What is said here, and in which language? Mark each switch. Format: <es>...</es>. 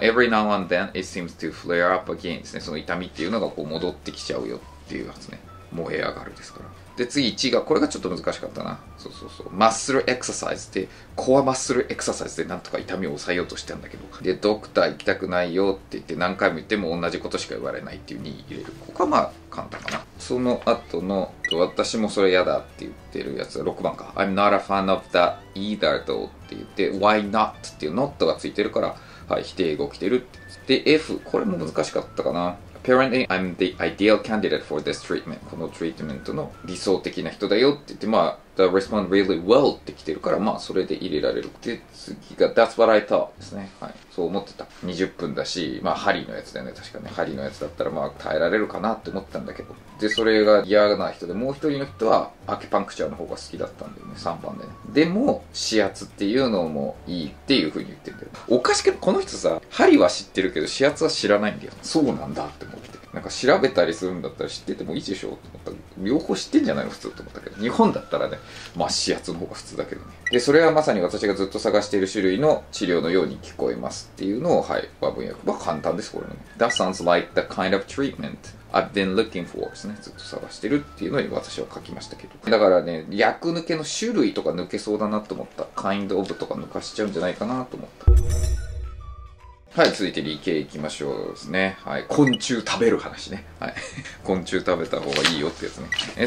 <en>Every now and then it seems to flare up again</en> <ja>ですね。その痛みっていうのがこう戻ってきちゃうよっていうやつね。燃え上がるですから。で、次1が、これがちょっと難しかったな。そうそうそう。マッスルエクササイズで、コアマッスルエクササイズでなんとか痛みを抑えようとしてたんだけど。で、ドクター行きたくないよって言って何回も言っても同じことしか言われないっていう2位入れる。ここはまあ簡単かな。その後の、私もそれ嫌だって言ってるやつ、6番か。</ja> <en>I'm not a fan of that either though</en> <ja>って言って、</ja> <en>why not</en> <ja>っていう not がついてるから、はい、否定語来てるって。で、F、これも難しかったかな。</ja> <en>Apparently, I'm the ideal candidate for this treatment.</en> <ja>このトリートメントの理想的な人だよって言って、まあ、</ja> <en>the respond really well</en> <ja>って来てるから、まあ、それで入れられる。で、次が、</ja> <en>that's what I thought</en> <ja>ですね。はい。そう思ってた。 20分だし、まあ、ハリーのやつだよね。確かね。ハリーのやつだったら、まあ、耐えられるかなって思ったんだけど。で、それが嫌な人で、もう一人の人は、アキュパンクチャーの方が好きだったんだよね。3番でね。でも、指圧っていうのもいいっていうふうに言ってるんだよ。おかしくない? この人さ、ハリーは知ってるけど、指圧は知らないんだよ。そうなんだって思う。なんか調べたりするんだったら知っててもいいでしょと思った。両方知ってんじゃないの普通と思ったけど。日本だったらね、まあ指圧の方が普通だけどね。で、それはまさに私がずっと探している種類の治療のように聞こえますっていうのを、はい、和文訳は簡単です、これね。</ja> <en>That sounds like the kind of treatment I've been looking for</en> <ja>ですね。ずっと探してるっていうのに私は書きましたけど。だからね、訳抜けの種類とか抜けそうだなと思った。 kind of とか抜かしちゃうんじゃないかなと思った。はい、続いて理系行きましょうですね。はい、昆虫食べる話ね。はい、昆虫食べた方がいいよってやつね。</ja>